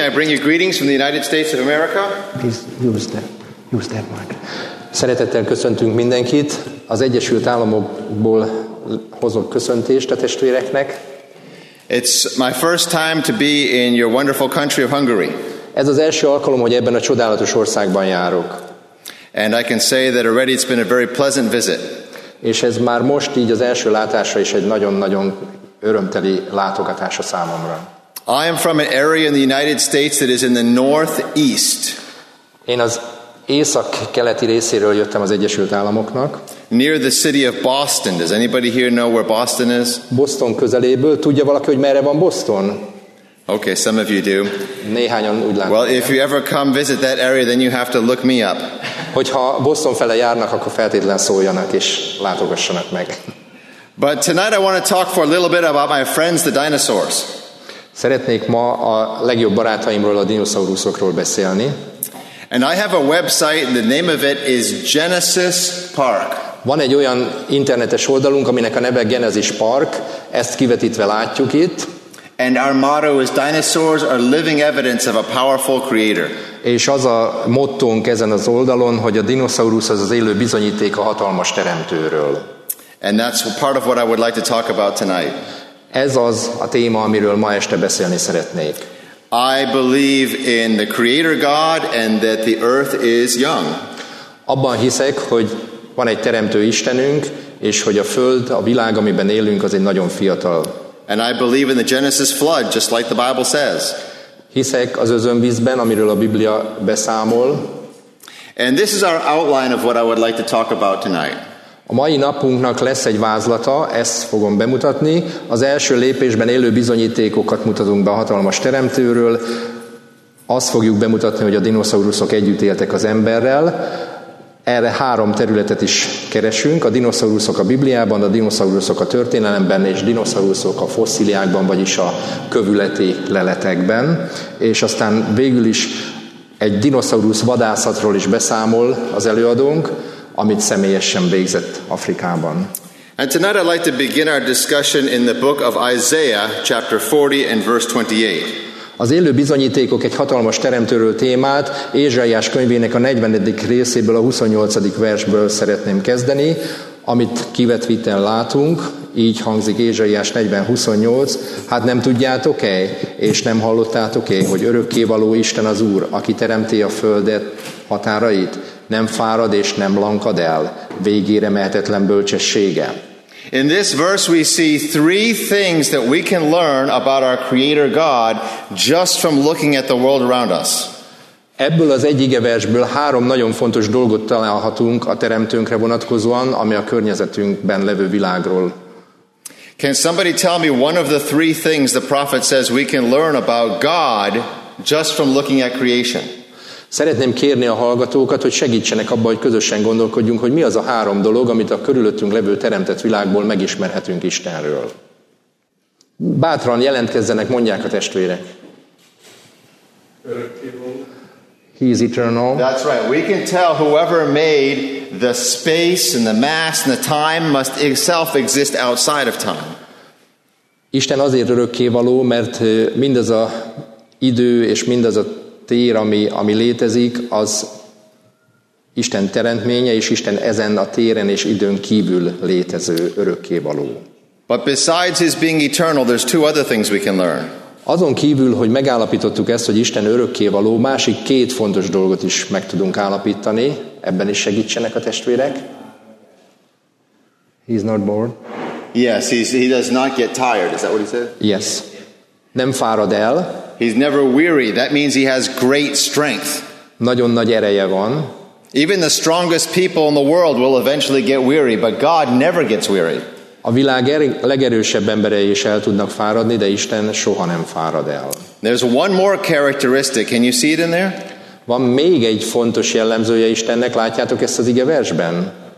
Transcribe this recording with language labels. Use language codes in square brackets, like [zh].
[en] I bring you greetings from the United States of America. Please use that. Use that mic. [hu] Szeretettel köszöntünk mindenkit. Az Egyesült Államokból hozok köszöntést a testvéreknek. [en] It's my first time to be in your wonderful country of Hungary. [hu] Ez az első alkalom, hogy ebben a csodálatos országban járok. [en] And I can say that already it's been a very pleasant visit. [hu] És ez már most így az első látásra is egy nagyon-nagyon örömteli látogatása számomra. [en] I am from an area in the United States that is in the northeast. [hu] Én az észak-keleti részéről jöttem az Egyesült Államoknak. [en] Near the city of Boston. Does anybody here know where Boston is? [hu] Boston közeléből. Tudja valaki, hogy merre van Boston? [en] Okay, some of you do. [hu] Néhányan úgy látom. [en] Well, if you ever come visit that area, then you have to look me up. [hu] Hogyha Boston fele járnak, akkor feltétlen szóljanak és látogassanak meg. [en] But tonight I want to talk for a little bit about my friends, the dinosaurs. [hu] Szeretnék ma a legjobb barátaimról, a dinoszauruszokról beszélni. [en] And I have a website, the name of it is Genesis Park. [hu] Van egy olyan internetes oldalunk, aminek a neve Genesis Park, ezt kivetítve látjuk itt. [en] And our motto is dinosaurs are living evidence of a powerful creator. [hu] És az a mottónk ezen az oldalon, hogy a dinoszaurus az az élő bizonyíték a hatalmas teremtőről. [en] And that's part of what I would like to talk about tonight. [hu] Ez az a téma, amiről ma este beszélni szeretnék. [en] I believe in the creator God and that the earth is young. [hu] Abban hiszek, hogy van egy teremtő Istenünk, és hogy a föld, a világ, amiben élünk, az egy nagyon fiatal. [en] And I believe in the Genesis flood, just like the Bible says. [hu] Hiszek az özönvízben, amiről a Biblia beszámol. [en] And this is our outline of what I would like to talk about tonight. [hu] A mai napunknak lesz egy vázlata, ezt fogom bemutatni. Az első lépésben élő bizonyítékokat mutatunk be a hatalmas teremtőről. Azt fogjuk bemutatni, hogy a dinoszauruszok együtt éltek az emberrel. Erre három területet is keresünk. A dinoszauruszok a Bibliában, a dinoszauruszok a történelemben, és dinoszauruszok a fosszíliákban, vagyis a kövületi leletekben. És aztán végül is egy dinoszaurusz vadászatról is beszámol az előadónk, amit személyesen végzett Afrikában. [en] And tonight I'd like to begin our discussion in the book of Isaiah, chapter 40 and verse 28. [hu] Az élő bizonyítékok egy hatalmas teremtőről témát, Ézsaiás könyvének a 40. részéből, a 28. versből szeretném kezdeni, amit kivetvitten látunk, így hangzik Ézsaiás 40:28. Hát nem tudjátok-e, és nem hallottátok-e, hogy örökkévaló Isten az Úr, aki teremti a földet határait, nem fárad és nem lankad el, végére mehetetlen bölcsessége. [en] In this verse we see three things that we can learn about our creator God just from looking at the world around us. [hu] Ebből az egy igeversből három nagyon fontos dolgot találhatunk a teremtőnkre vonatkozóan, ami a környezetünkben levő világról. [en] Can somebody tell me one of the three things the prophet says we can learn about God just from looking at creation? [hu] Szeretném kérni a hallgatókat, hogy segítsenek abban, hogy közösen gondolkodjunk, hogy mi az a három dolog, amit a körülöttünk levő teremtett világból megismerhetünk Istenről. Bátran jelentkezzenek, mondják a testvérek. [en] He is eternal. That's right. We can tell whoever made the space and the mass and the time must itself exist outside of time. [hu] Isten azért örökkévaló, mert mindaz a idő és mindaz a tér, ami létezik, az Isten teremtménye, és Isten ezen a téren és időn kívül létező örökkévaló. [en] But besides his being eternal, there's two other things we can learn. [hu] Azon kívül, hogy megállapítottuk ezt, hogy Isten örökkévaló, másik két fontos dolgot is meg tudunk állapítani. Ebben is segítsenek a testvérek. [en] He's not bored. Yes, he does not get tired. Is that what he said? Yes. [hu] Nem fárad el. [en] He's never weary. That means he has great strength. [hu] Nagyon nagy ereje van. [en] Even the strongest people in the world will eventually get weary, but God never gets weary. [hu] A világ legerősebb emberei is el tudnak fáradni, de Isten soha nem fárad el. [en] There's one more characteristic. Can you see it in there? [hu] Van még egy fontos jellemzője Istennek. Látjátok ezt az igeversben?